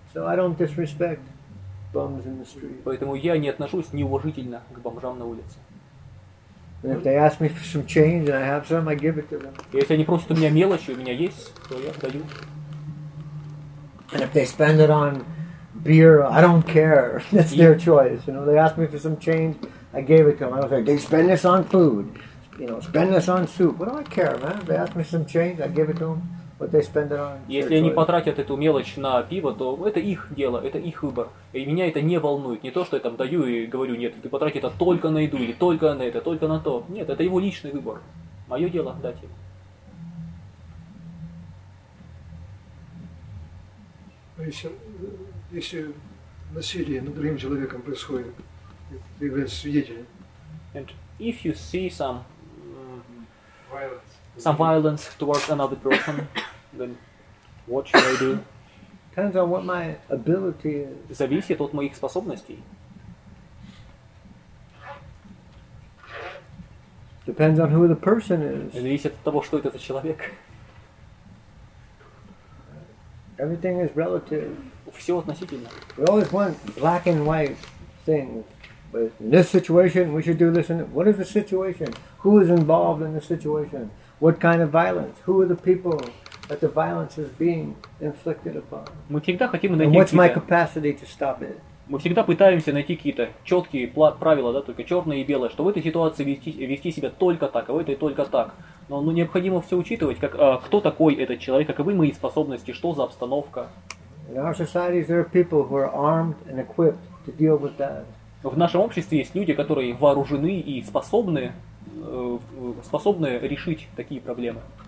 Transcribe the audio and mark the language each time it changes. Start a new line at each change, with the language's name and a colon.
English: So I don't disrespect bums in the street.
Russian: Поэтому я не отношусь неуважительно к бомжам на улице.
English: And if they ask me for some change and I have some, I give it to them.
Russian: Если они просят у меня мелочи, у меня есть, то я даю.
English: And if they spend it on beer, I don't care. That's their choice. You know, they asked me for some change, I gave it to them. I was like, they spend this on food. You know, spend this on soup. What do I care, man? They asked me for some change, I gave it to them. What they spend it on.
Russian: Если они потратят эту мелочь на пиво, то это их дело, это их выбор. И меня это не волнует. Не то, что я там даю и говорю, нет, ты потрати это только на еду, или только на это, только на то. Нет, это его личный выбор. Мое дело дать им. Если насилие над другим человеком происходит, ты являешься свидетелем.
English: And if you see some violence towards another person, then what should I do? Depends on what my ability is.
Russian: Зависит от моих способностей.
English: Depends on who the person is.
Russian: Зависит от того, что это за человек.
English: Everything is relative.
Russian: Все относительно.
English: We always want black and white things, but in this situation we should do this. And what is the situation? Who is involved in the situation? What kind of violence? Who are the people that the violence is being inflicted upon?
Russian: Мы всегда хотим
English: and
Russian: найти.
English: What's my capacity to stop it?
Russian: Мы всегда пытаемся найти какие-то четкие правила, да, только черное и белое, что в этой ситуации вести себя только так, а в этой только так. Но необходимо все учитывать, как кто такой этот человек, каковы мои способности, что за обстановка.
English: In our societies there are people who are armed and equipped to deal with that.
Russian: В нашем обществе есть люди, которые вооружены и способны решить такие проблемы.